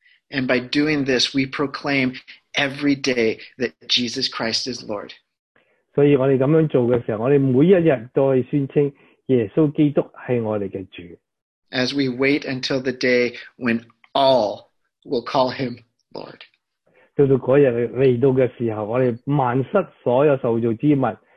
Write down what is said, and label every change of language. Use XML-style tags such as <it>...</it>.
<en>And by doing this, we proclaim every day that Jesus Christ is Lord.</en> <zh>所以我们这样做的时候, 我们每一天都会宣称耶稣基督是我们的主。</zh> <en>As we wait until the day when all will call him Lord.</en> <zh>到那天来到的时候, 我们万室所有受造之物,</zh>